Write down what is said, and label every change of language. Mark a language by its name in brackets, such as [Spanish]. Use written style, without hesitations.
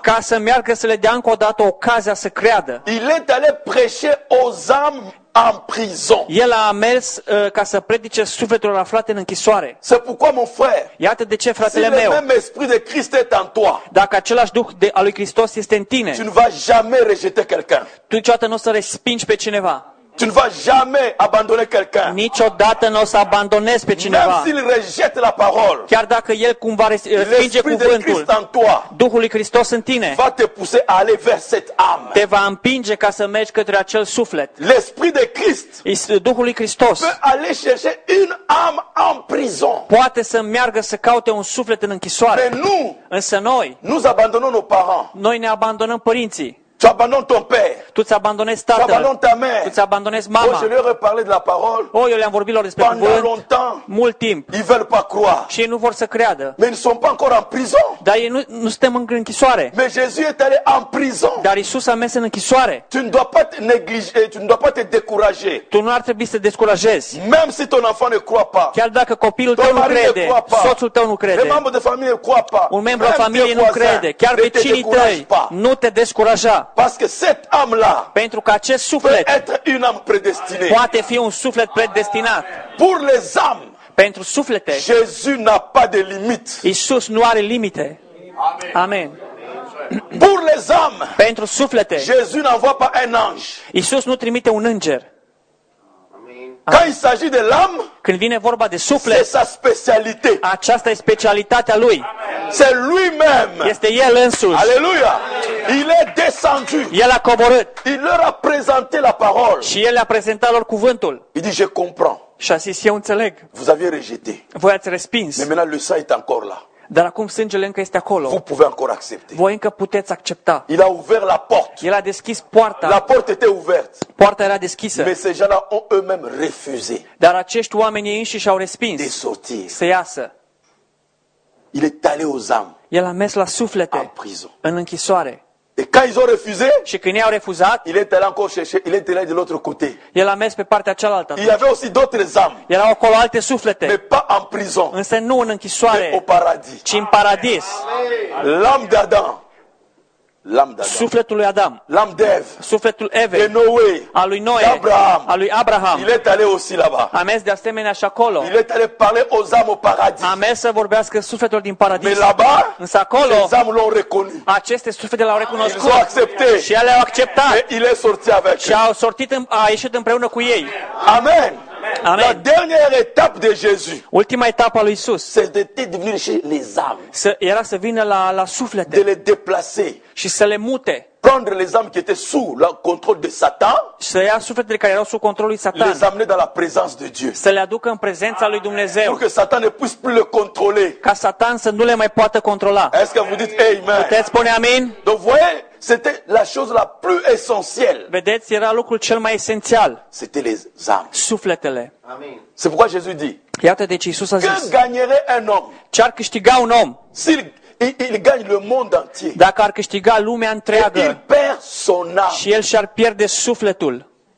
[Romanian] Ca să meargă să le dea încă o dată ocazia să creadă. [French] Il est allé prêcher aux âmes en prison. [Romanian] El a mers ca să predice sufletelor aflate în închisoare. [French] C'est pourquoi mon frère. [Romanian] Iată de ce, fratele si meu. [French] Le même esprit de Christ est en toi. [Romanian] Dacă același duh de al lui Hristos este în tine. [French] Tu ne vas jamais rejeter quelqu'un. [Romanian] Tu niciodată nu o să respingi pe cineva. [French] Tu ne vas jamais abandonner quelqu'un. [Romanian] Niciodată n-o să abandonezi pe cineva. [French] Même s'il rejette la parole. [Romanian] Chiar dacă el cumva respinge cuvântul. [French] L'Esprit de Christ en toi. [Romanian] Duhul lui Hristos în tine. [French] Va te pousser à aller vers cette âme. [Romanian] Te va împinge ca să mergi către acel suflet. [French] L'Esprit de Christ. [Romanian] Duhul lui Hristos. [French] Peut aller chercher une âme en prison. [Romanian] Poate să meargă să caute un suflet în închisoare. [French] Mais nous. [Romanian] Însă noi. [French] Nous abandonons nos parents. [Romanian] Noi ne abandonăm părinții. [French] Tu abandonnes ton père. [Romanian] Tu ți abandonezi tatăl. [French] Tu abandonnes ta mère. [Romanian] Tu ți abandonezi mama. [French] Oh, je leur ai parlé de la parole. [Romanian] Oh, eu le-am vorbit lor despre cuvânt. [French] Pendant longtemps. [Romanian] Mult timp. [French] Ils veulent pas croire. [Romanian] Și ei nu vor să creadă. [French] Mais ils sont pas encore en prison. [Romanian] Dar ei nu suntem în închisoare. [French] Mais Jésus est allé en prison. [Romanian] Dar Iisus a mers în închisoare. [French] Tu ne dois pas te négliger, tu ne dois pas te décourager. [Romanian] Tu nu ar trebui să te descurajezi. [French] Même si ton enfant ne croit pas. [Romanian] Chiar dacă copilul tău nu crede. Soțul tău nu crede. [French] Un membru de familie ne croit pas. [Romanian] Un membru al familiei nu crede. Chiar vecinii tăi nu te descuraja. [French] Parce que cette âme là, [Romanian] pentru că acest suflet, [French] peut être une âme prédestinée. [Romanian] Poate fi un suflet predestinat. [French] Pour les âmes, [Romanian] pentru suflete, [French] Jésus n'a pas de limite. [Romanian] Iisus nu are limite. [French] Amen. Amen. Pour les âmes, [Romanian] pentru suflete, [French] Jésus n'envoie pas un ange. [Romanian] Iisus nu trimite un înger. [French] Quand il s'agit de l'âme, [Romanian] când vine vorba de suflet, [French] c'est sa spécialité. [Romanian] Aceasta e specialitatea lui. [French] C'est lui-même. [Romanian] Este el însuși. [French] Alléluia. Il est descendu. [Romanian] El a coborât. [French] Il leur a présenté la parole. [Romanian] Și el a prezentat lor cuvântul. [French] Il dit je comprends. [Romanian] Și a zis eu înțeleg. [French] Vous aviez rejeté. [Romanian] Voi ați respins. [French] Mais maintenant le sang est encore là. [Romanian] Dar acum sângele încă este acolo. [French] Vous pouvez encore accepter. [Romanian] Voi încă puteți accepta. [French] Il a ouvert la porte. [Romanian] El a deschis poarta. [French] La porte était ouverte. [Romanian] Poarta era deschisă. [French] Mais ces gens-là ont eux-mêmes refusé. [Romanian] Dar acești oameni înșiși și-au respins. [French] De sortir. [Romanian] Să iasă. [French] Il est allé aux âmes. [Romanian] El a mers la suflete. [French] En prison. [Romanian] În închisoare. [French] Et quand ils ont refusé? [Romanian] Și când i-au refuzat? [French] Il est allé encore chercher. Il est allé de l'autre côté. [Romanian] El a mers pe partea cealaltă. [French] Il y avait aussi d'autres âmes. [Romanian] Erau acolo alte suflete. [French] Mais pas en prison. [Romanian] Însă nu în închisoare. [French] Au paradis. [Romanian] Ci în paradis. [French] L'âme d'Adam. [Romanian] sufletul lui Adam, [French] l'am Dev, [Romanian] sufletul Evei, [French] de Noe, [Romanian] a lui Noe, [French] Abraham, [Romanian] a lui Abraham. [French] Il est allé aussi là-bas. [Romanian] A mers de asemenea și acolo. [French] Il est allé parler aux âmes au paradis. [Romanian] A mers să vorbească sufletul din paradis. [French] Mais là-bas, [Romanian] însă acolo, [French] les âmes l'ont reconnu. [Romanian] Aceste suflete l-au recunoscut. [French] Ils ont accepté. [Romanian] Și ele au acceptat. [French] Et il est sorti avec. [Romanian] Și au sortit, a ieșit împreună cu ei. [French] Amen. [Romanian] Amen. [French] La dernière étape de Jésus. [Romanian] Ultima etapă a lui Isus. [French] C'était de venir chez les âmes. [Romanian] Să era să vină la suflete. [French] De les déplacer. [Romanian] Și să le mute. [French] Prendre les âmes qui étaient sous le contrôle de Satan. [Romanian] Să ia sufletele care erau sub controlul lui Satan. [French] Les amener dans la présence de Dieu. [Romanian] Să le aducă în prezența lui Dumnezeu. [French] Pour que Satan ne puisse plus le contrôler. [Romanian] Ca Satan să nu le mai poată controla. [French] Est-ce que vous dites amen? [Romanian] Puteți spune amin? [French] Donc voyez, c'était la chose la plus essentielle. [Romanian] Vedeți, era lucrul cel mai esențial. [French] C'était les âmes. [Romanian] Sufletele. Amin. [French] C'est pourquoi Jésus dit. [Romanian] Iată de ce Iisus a zis. [French] Que gagnerait un homme? [Romanian] Ce ar câștiga un om? [French] S'il il gagne le monde entier. [Romanian] Dacă ar câștiga lumea întreagă. [French] Et il perd son âme. [Romanian] Și el și-ar pierde sufletul.